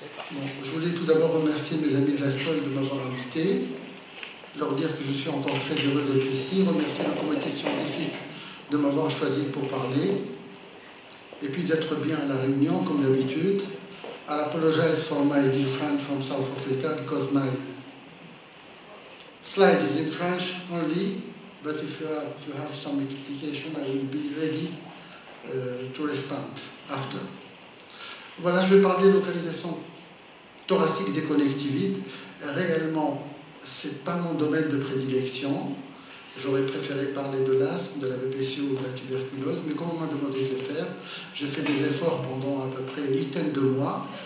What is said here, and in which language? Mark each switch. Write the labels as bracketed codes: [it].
[fr] Bon, je voulais tout d'abord remercier mes amis de la SPOIL de m'avoir invité, leur dire que je suis encore très heureux d'être ici, remercier le comité scientifique de m'avoir choisi pour parler, et puis d'être bien à la réunion, comme d'habitude. [en] I apologize for my dear friend from South Africa because my slide is in French only, but if you have to have some explanation, I will be ready to respond after. [fr] Voilà, je vais parler de localisation thoracique des connectivites. Réellement, ce n'est pas mon domaine de prédilection. J'aurais préféré parler de l'asthme, de la BPCO ou de la tuberculose, mais comme on m'a demandé de le faire, j'ai fait des efforts pendant à peu près une huitaine de mois.